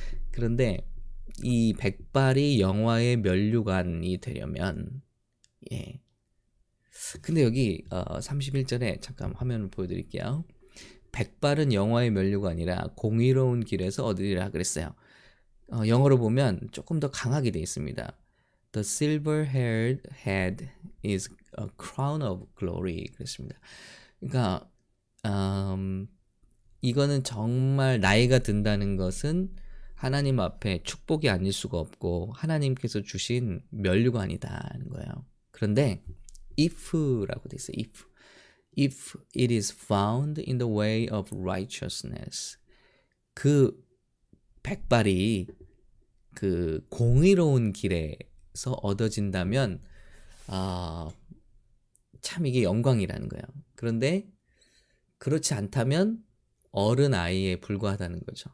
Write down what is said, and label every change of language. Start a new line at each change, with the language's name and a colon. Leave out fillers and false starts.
Korean: 그런데 이 백발이 영화의 면류관이 되려면, 예. 근데 여기 31절에 잠깐 화면을 보여드릴게요. 백발은 영화의 면류가 아니라 공의로운 길에서 얻으리라 그랬어요. 영어로 보면 조금 더 강하게 되어 있습니다.
English: The silver-haired head is a crown of glory.
Korean: 그랬습니다. 그러니까 이거는 정말 나이가 든다는 것은 하나님 앞에 축복이 아닐 수가 없고 하나님께서 주신 면류관이다는 거예요. 그런데 if라고 되어 있어요.
English: If it is found in the way of righteousness.
Korean: 그 백발이 그 공의로운 길에서 얻어진다면, 참 이게 영광이라는 거예요. 그런데 그렇지 않다면 어른 아이에 불과하다는 거죠.